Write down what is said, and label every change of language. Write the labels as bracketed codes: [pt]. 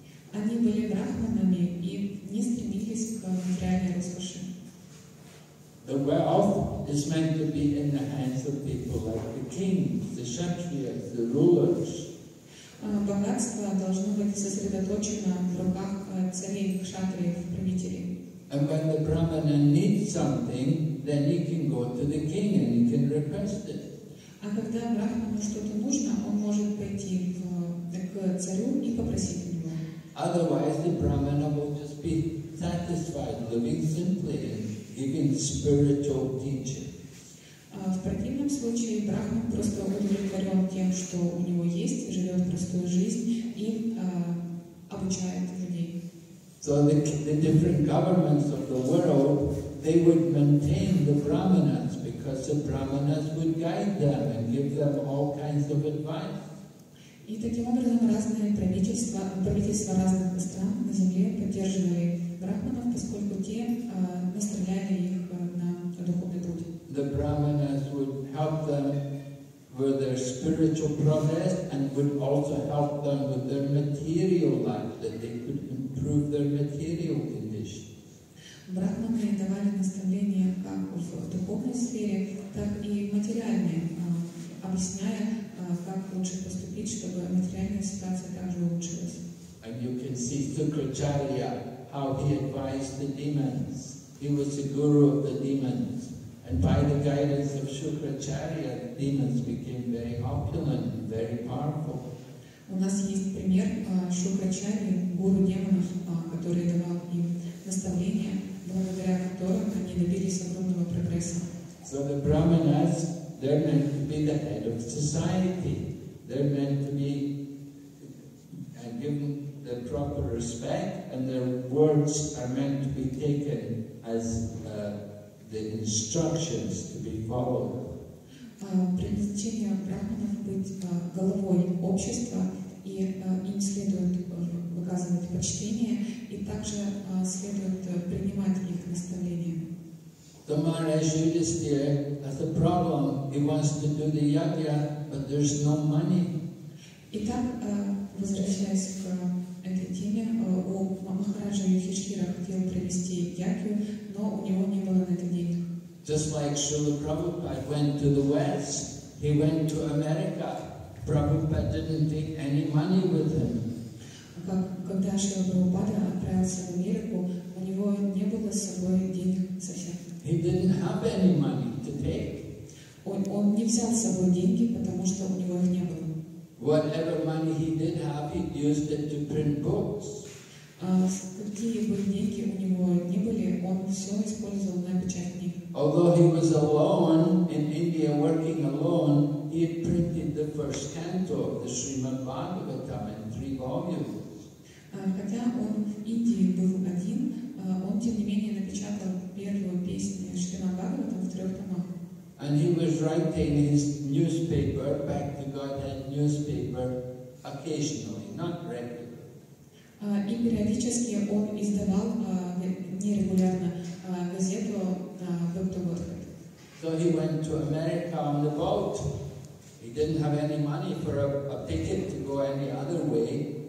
[ru] Они были брахманами и не стремились к материальной роскоши. [en] The wealth is meant to be in the hands of people like the kings, the kshatriyas, the rulers. [ru] Богатство должно быть сосредоточено в руках царей, кшатриев, правителей. [en] And when the brahmana needs something, then he can go to the king and he can request it. [ru] А когда брахману что-то нужно, он может пойти к царю и попросить у него. [en] Otherwise, the brahmana will just be satisfied living simply and giving spiritual teaching. [ru] В противном случае брахман просто удовлетворен тем, что у него есть, живет простую жизнь и обучает людей. [en] So the different governments of the world, they would maintain the brahmanas because the brahmanas would guide them and give them all kinds of advice. [ru] И таким образом разные правительства разных стран на земле поддерживали брахманов, поскольку те наставляли их на духовный путь. [en] The brahmanas would help them with their spiritual progress and would also help them with their material life, that they could improve their material condition. [ru] Брахманы давали наставления как в духовной сфере, так и материальной, объясняя, как лучше поступить, чтобы материальная ситуация также улучшилась. [en] And you can see Sukracharya, how he advised the demons. He was the guru of the demons. And by the guidance of Shukracharya, demons became very opulent and very powerful. [ru] У нас есть пример Шукрачарьи, гуру демонов, который давал им наставления, благодаря которым они добились огромного прогресса. [en] So the brahmanas, they're meant to be the head of society. They're meant to be given the proper respect, and their words are meant to be taken as the instructions to be followed. [ru] Предназначение брахманов быть головой общества, и им следует выказывать почтение, и также следует принимать их наставления. [en] So Maharaj Yudhisthira has a problem. He wants to do the yajna, but there's no money. [ru] Итак, возвращаясь к этой теме, у Махараджа Юдхиштхира хотел провести ягью, но у него не было на это денег. [en] Just like Srila Prabhupada went to the West, he went to America. Prabhupada didn't take any money with him. [ru] Когда Шрила Прабхупада отправился в Америку, у него не было с собой денег совсем. [en] He didn't have any money to take. [ru] Он не взял с собой деньги, потому что у него их не было. [en] Whatever money he did have, he used it to print books. Although he was alone in India, working alone, he had printed the first canto of the Srimad Bhagavatam in 3 volumes. [ru] Хотя он в Индии был один, он тем не менее напечатал первую песню Шримад Бхагаватам в 3 томах. [en] And he was writing his newspaper back to Godhead newspaper occasionally, not regularly. [ru] И периодически он издавал нерегулярно газету Dr. Godhead. [en] So he went to America on the boat. He didn't have any money for a ticket to go any other way.